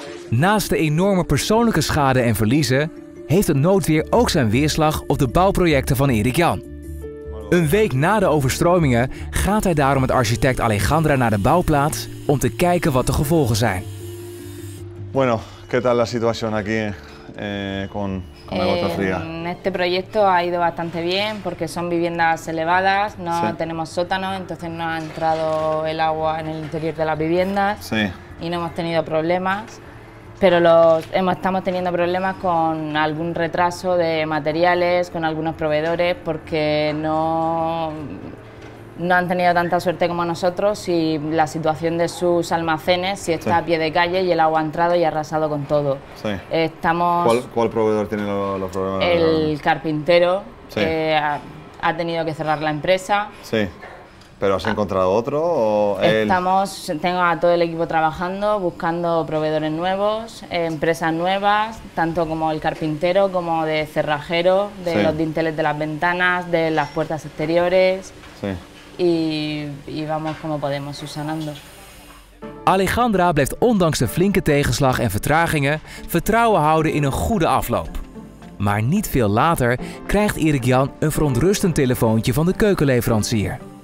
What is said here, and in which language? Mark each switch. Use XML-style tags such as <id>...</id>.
<nl>Naast de enorme persoonlijke schade en verliezen heeft het noodweer ook zijn weerslag op de bouwprojecten van Erik Jan. Een week na de overstromingen gaat hij daarom met architect Alejandra naar de bouwplaats om te kijken wat de gevolgen zijn.</nl> <es>Bueno, ¿qué tal la situación aquí con el agua fría? En este proyecto ha ido bastante bien porque son viviendas elevadas, no tenemos sótano, entonces no ha entrado el agua en el interior de las viviendas y no hemos tenido problemas. Pero estamos teniendo problemas con algún retraso de materiales, con algunos proveedores, porque no han tenido tanta suerte como nosotros y la situación de sus almacenes, si está a pie de calle y el agua ha entrado y ha arrasado con todo. Sí. ¿Cuál proveedor tiene los problemas? El carpintero, que ha tenido que cerrar la empresa. Sí. ¿Pero has encontrado otro? O el... Estamos, tengo a todo el equipo trabajando, buscando proveedores nuevos, empresas nuevas, tanto como el carpintero, como de cerrajero, de sí. los dinteles de las ventanas, de las puertas exteriores. Sí. Y vamos como podemos, subsanando.</es> <nl>Alejandra blijft ondanks de flinke tegenslag en vertragingen vertrouwen houden in een goede afloop. Maar niet veel later krijgt Erik-Jan een verontrustend telefoontje van de keukenleverancier.</nl>